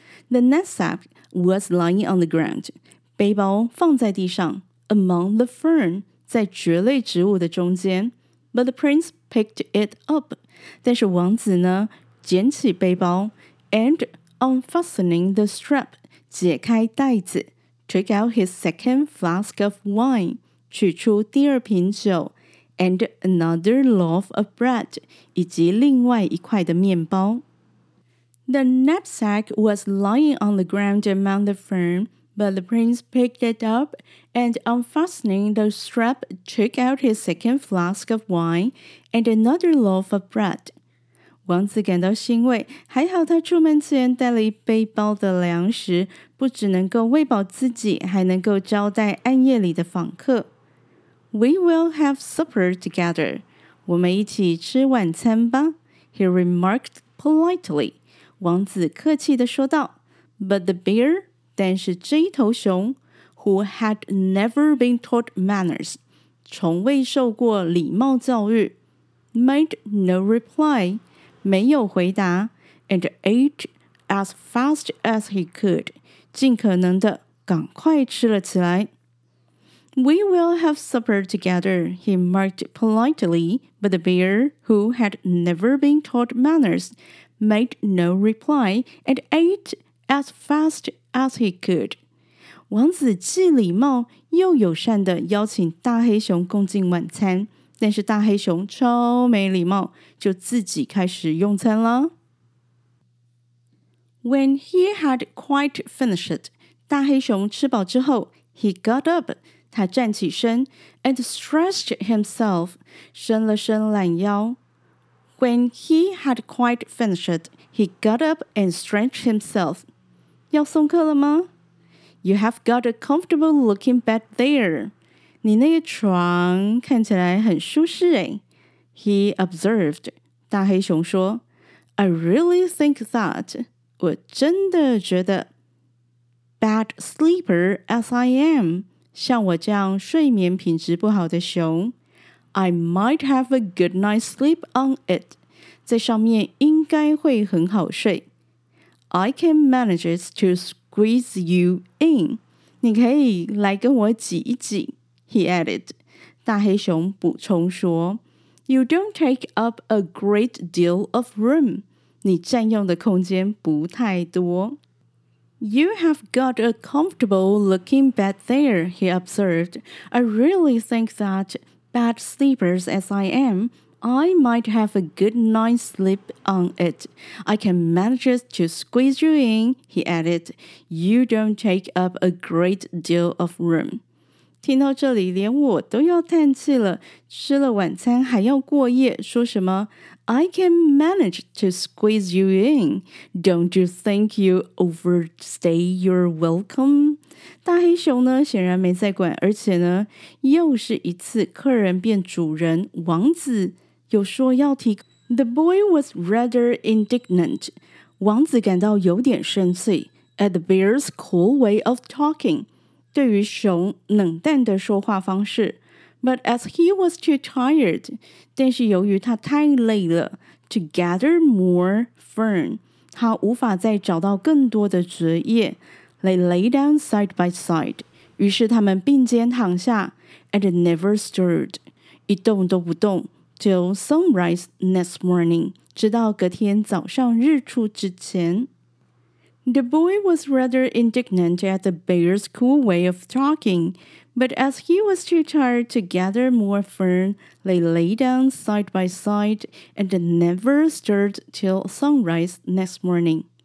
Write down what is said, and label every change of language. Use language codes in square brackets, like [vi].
[en] The knapsack was lying on the ground. [zh] 背包放在地上 [en] among the fern, [zh] 在蕨类植物的中间。 [en] But the prince picked it up. [zh] 但是王子呢，捡起背包 [en] and unfastening the strap, [zh] 解开带子 [en] took out his second flask of wine, [zh] 取出第二瓶酒 [en] and another loaf of bread, [zh] 以及另外一块的面包。 [en] The knapsack was lying on the ground among the fern. But the prince picked it up, and unfastening the strap, took out his second flask of wine and another loaf of bread. [zh] 王子感到欣慰，还好他出门前带了一背包的粮食，不只能够喂饱自己，还能够招待暗夜里的访客。 [en] We will have supper together. [zh] 我们一起吃晚餐吧。 [en] He remarked politely. [zh] 王子客气地说道。 [en] But the bear, [zh] 但是这一头熊 [en] who had never been taught manners, [zh] 从未受过礼貌教育 [en] made no reply, [zh] 没有回答 [en] and ate as fast as he could, [zh] 尽可能的赶快吃了起来。 [en] We will have supper together, he remarked politely, but the bear, who had never been taught manners, made no reply and ate as fast as he could. [zh] 王子既礼貌又友善地邀请大黑熊共进晚餐，但是大黑熊超没礼貌，就自己开始用餐了。 [en] When he had quite finished, [zh] 大黑熊吃饱之后 [en] he got up, [zh] 他站起身 [en] and stretched himself, [zh] 伸了伸懒腰。 [en] When he had quite finished, he got up and stretched himself. [zh] 要送客了吗? [en] You have got a comfortable looking bed there. [zh] 你那个床看起来很舒适诶。 [en] He observed, [zh] 大黑熊说, [en] I really think that, [zh] 我真的觉得, [en] bad sleeper as I am. [zh] 像我这样睡眠品质不好的熊 [en] I might have a good night's sleep on it [zh] 在上面应该会很好睡 [en] I can manage to squeeze you in [zh] 你可以来跟我挤一挤 [en] He added [zh] 大黑熊补充说 [en] You don't take up a great deal of room [zh] 你占用的空间不太多 [en] You have got a comfortable looking bed there, he observed. I really think that, bad sleepers as I am, I might have a good night's sleep on it. I can manage to squeeze you in, he added. You don't take up a great deal of room. [zh] 听到这里连我都要叹气了，吃了晚餐还要过夜，说什么？ [en] I can manage to squeeze you in. Don't you think you overstay your welcome? [zh] 大黑熊呢，显然没在管，而且呢，又是一次客人变主人，王子有说要提。 [en] The boy was rather indignant. [zh] 王子感到有点生气 [en] at the bear's cool way of talking. [zh] 对于熊冷淡的说话方式。 [en] But as he was too tired, [zh] 但是由于他太累了 [en] to gather more fern, [zh] 他无法再找到更多的折叶 [en] they lay down side by side, [zh] 于是他们并肩躺下 [en] and never stirred, [zh] 一动都不动 [en] till sunrise next morning, [zh] 直到隔天早上日出之前。 [en] The boy was rather indignant at the bear's cool way of talking, but as he was too tired to gather more fern, they lay down side by side and never stirred till sunrise next morning.